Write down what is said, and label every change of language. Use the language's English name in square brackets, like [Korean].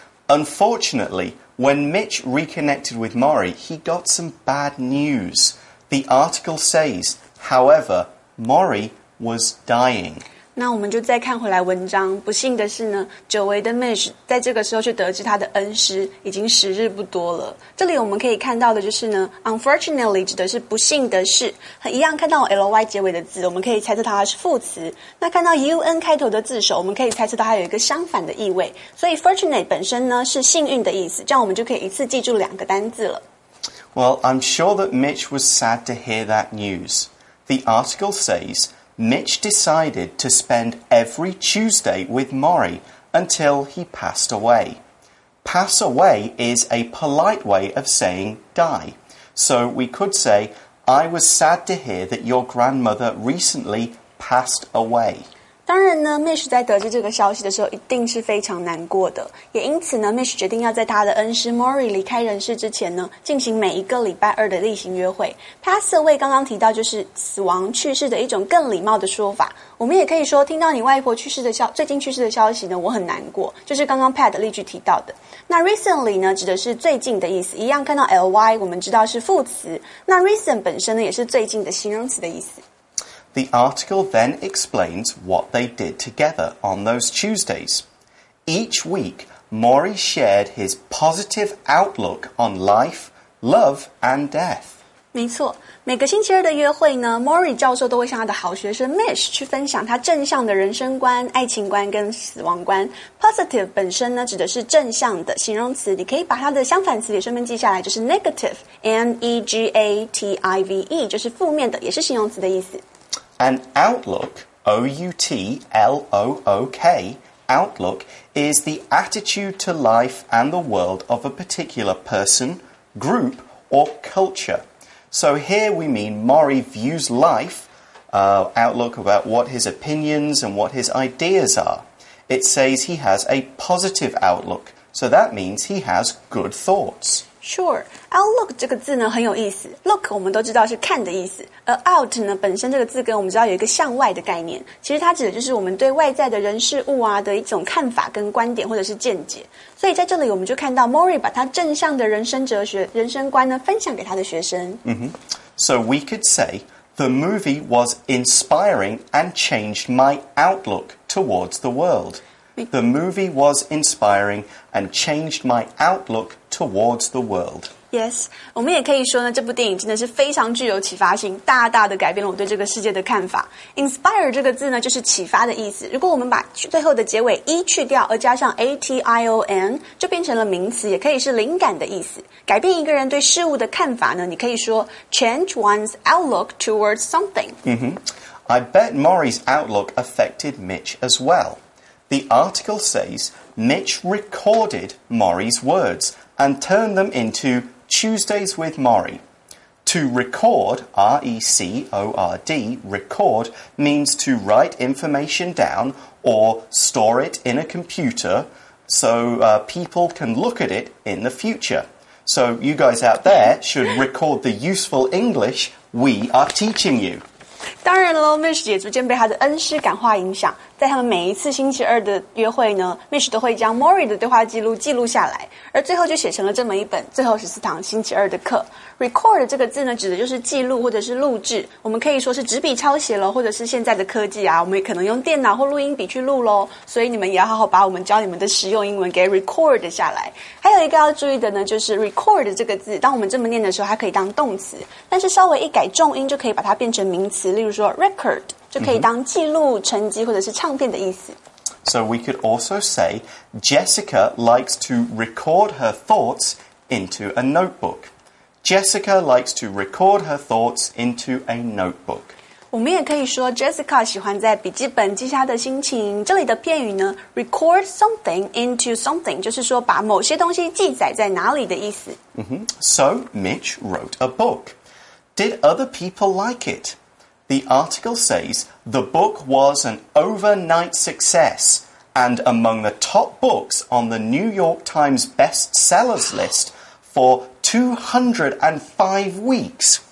[English] UnfortunatelyWhen Mitch reconnected with Maury, he got some bad news. The article says, however, Maury was dying. [Chinese] 那我们就再看回来文章。不幸的是呢，久违的 Mitch 在这个时候却得知他的恩师已经时日不多了。这里我们可以看到的就是呢 ，unfortunately 指的是不幸的事。很一样看到 ly 结尾的字，我们可以猜测它是副词。那看到 un 开头的字首，我们可以猜测它有一个相反的意味。所以 fortunate 本身呢是幸运的意思，这样我们就可以一次记住两个单字了。 [English] Well, I'm sure that Mitch was sad to hear that news. The article says. Mitch decided to spend every Tuesday with Maury until he passed away. Pass away is a polite way of saying die. So we could say, I was sad to hear that your grandmother recently passed away. [Chinese] 当然呢 ,Mitch 在得知这个消息的时候一定是非常难过的。也因此呢 ,Mitch 决定要在他的恩师 Maury 离开人世之前呢进行每一个礼拜二的例行约会。 Pass away 刚刚提到就是死亡去世的一种更礼貌的说法。我们也可以说听到你外婆去世的消最近去世的消息呢我很难过。就是刚刚 Pat 的例句提到的。那 recently 呢指的是最近的意思。一样看到 ly, 我们知道是副词。那 recent 本身呢也是最近的形容词的意思。 [English] The article then explains what they did together on those Tuesdays. Each week, Maury shared his positive outlook on life, love, and death. [Chinese] 没错，每个星期二的约会呢 ，Maury 教授都会向他的好学生 Mitch 去分享他正向的人生观、爱情观跟死亡观。 Positive 本身呢指的是正向的形容词，你可以把它的相反词也顺便记下来，就是 negative, N-E-G-A-T-I-V-E, 就是负面的，也是形容词的意思。 [English] An outlook, O-U-T-L-O-O-K, outlook, is the attitude to life and the world of a particular person, group, or culture. So here we mean Maury views life, outlook about what his opinions and what his ideas are. It says he has a positive outlook, so that means he has good thoughts. Sure. [Chinese] Outlook 这个字呢很有意思。Look 我们都知道是看的意思。而 out 呢本身这个字跟我们知道有一个向外的概念。其实它指的就是我们对外在的人事物啊的一种看法跟观点或者是见解。所以在这里我们就看到 Mori 把他正向的人生哲学人生观呢分享给他的学生。 [English] So we could say, the movie was inspiring and changed my outlook towards the world. The movie was inspiring and changed my outlook towards the world. [Chinese] Yes, 我们也可以说呢，这部电影真的是非常具有启发性，大大的改变了我对这个世界的看法。 Inspire 这个字呢，就是启发的意思。如果我们把最后的结尾 e 去掉，而加上 ation， 就变成了名词，也可以是灵感的意思。改变一个人对事物的看法呢，你可以说 [English] change one's outlook towards something. I bet Maury's outlook affected Mitch as well. The article says, Mitch recorded Maury's words and turned them into Tuesdays with Maury. To record, R-E-C-O-R-D, record, means to write information down or store it in a computer so, people can look at it in the future. So you guys out there should record the useful English we are teaching you. [Chinese] 当然了 ，Mitch 也逐渐被他的恩师感化影响。在他们每一次星期二的约会呢 ，Mitch 都会将 Maury 的对话记录记录下来，而最后就写成了这么一本《最后十四堂星期二的课》。 Record 这个字呢，指的就是记录或者是录制。我们可以说是纸笔抄写了，或者是现在的科技啊，我们也可能用电脑或录音笔去录咯。所以你们也要好好把我们教你们的实用英文给 record 下来。还有一个要注意的呢，就是 record 这个字，当我们这么念的时候，它可以当动词，但是稍微一改重音就可以把它变成名词。例如说 record 就可以当记录、成绩或者是唱片的意思。 [English] So we could also say Jessica likes to record her thoughts into a notebook. Jessica likes to record her thoughts into a notebook. [Chinese] 我们也可以说 Jessica 喜欢在笔记本记下的心情。这里的片语呢 ， [English] record something into something， [Chinese] 就是说把某些东西记载在哪里的意思。 [English] So Mitch wrote a book. Did other people like it? The article says the book was an overnight success and among the top books on the New York Times bestsellers list for 205 weeks.